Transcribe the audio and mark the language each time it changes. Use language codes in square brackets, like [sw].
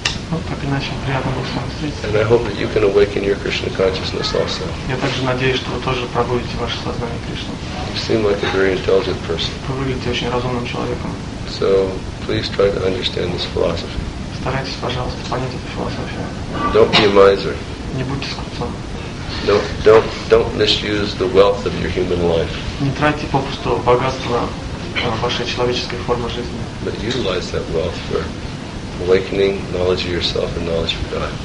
[en] And I hope that you can awaken your Krishna consciousness also. [ru] Я также надеюсь, что вы тоже пробудите ваше сознание Кришны. [en] You seem like a very intelligent person. [ru] Вы выглядите очень разумным человеком. [en] So please try to understand this philosophy. [ru] Старайтесь, пожалуйста, понять эту философию. [en] Don't be a miser. [ru] Не будьте скупцом. [en] Don't misuse the wealth of your human life. [ru] Не тратьте попусту богатство вашей человеческой формы жизни. [en] But utilize that wealth for awakening knowledge of yourself and knowledge of God.